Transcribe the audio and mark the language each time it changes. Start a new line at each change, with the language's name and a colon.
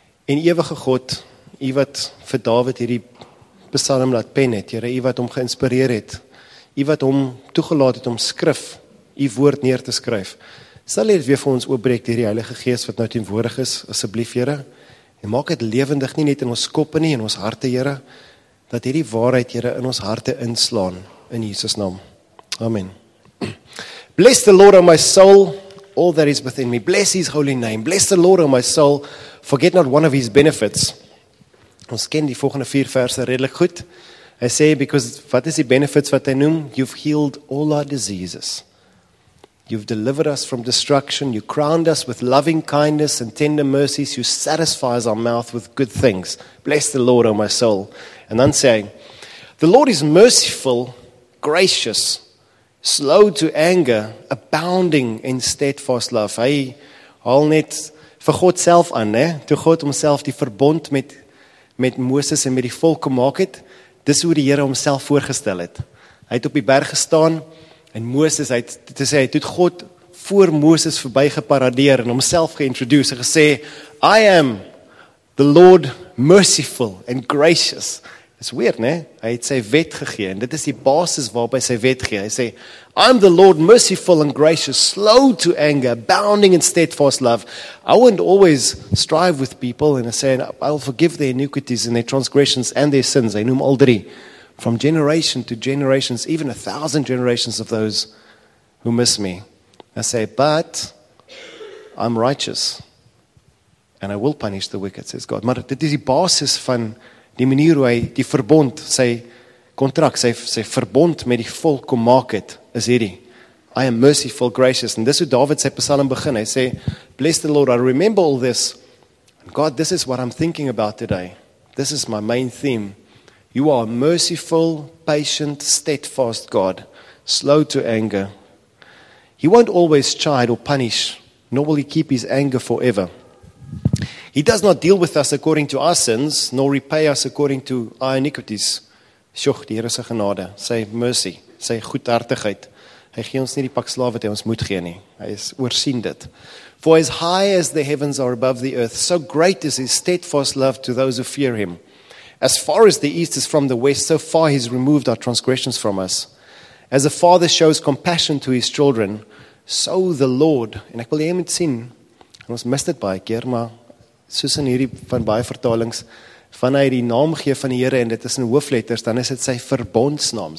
Afrikaans: En ewige God, u wat vir David hierdie psalm laat pen het, Here, u wat hom geïnspireer het, u wat hom toegelaat het om skrif, u woord neer te skryf, sal u dit weer vir ons oopbreek deur die Heilige Gees wat nou teenwoordig is, asseblief, Here, en maak het lewendig nie net in ons koppe nie, in ons harte, Here, dat hierdie waarheid, Here, in ons harte inslaan, in Jesus' naam. Amen.
English: Bless the Lord, O my soul, all that is within me. Bless his holy name. Bless the Lord, O my soul, forget not one of his benefits.
Afrikaans: Ons ken die volgende vier verse redelijk goed. Hy sê, because wat is die benefits wat hy noem?
English: You've healed all our diseases. You've delivered us from destruction. You crowned us with loving kindness and tender mercies. You satisfy our mouth with good things. Bless the Lord, O my soul. And then saying, the Lord is merciful, gracious, slow to anger, abounding in steadfast love.
Afrikaans: Hy haal net vir God self aan, ne? Toe God homself die verbond met Moses en met die volk gemaak het, dis hoe die Here homself voorgestel het. Hy het op die berg gestaan, en Moses, hy het God voor Moses voorbij geparadeer, en homself geïntroduce en gesê,
English: I am the Lord merciful and gracious,
Afrikaans: Is weird, né? Hy het sy wet gegee en dit is die basis waarop hy sy wet gee. Hy sê,
English: I'm the Lord merciful and gracious, slow to anger, abounding in steadfast love. I won't always strive with people and say, I'll forgive their iniquities and their transgressions and their sins.
Afrikaans: Hy noem al drie.
English: From generation to generations, even 1,000 generations of those who miss me. I say, but I'm righteous and I will punish the wicked, says God.
Afrikaans: Maar dit is die basis van die manier hoe hy die verbond, sy contract, sy verbond met die volk kom maak het, is hierdie.
English: I am merciful, gracious.
Afrikaans: En dis hoe David sy psalm begin. Hy sê,
English: bless the Lord, I remember all this. And God, this is what I'm thinking about today. This is my main theme. You are a merciful, patient, steadfast God, slow to anger. He won't always chide or punish, nor will he keep his anger forever. He does not deal with us according to our sins, nor repay us according to our iniquities.
Afrikaans: Sjoch, die Here se genade, sy mercy, sy goedhartigheid. Hy gee ons nie die pak slaaf wat hy ons moet gee nie. Hy is oorsien dit.
English: For as high as the heavens are above the earth, so great is his steadfast love to those who fear him. As far as the east is from the west, so far he's removed our transgressions from us. As a father shows compassion to his children, so the Lord,
Afrikaans: en ek wil hê jy moet sien, ons mis dit baie keer, maar soos in hierdie van baie vertalings, van hy die naam gee van die Here, en dit is in hoofletters, dan is dit sy verbondsnaam.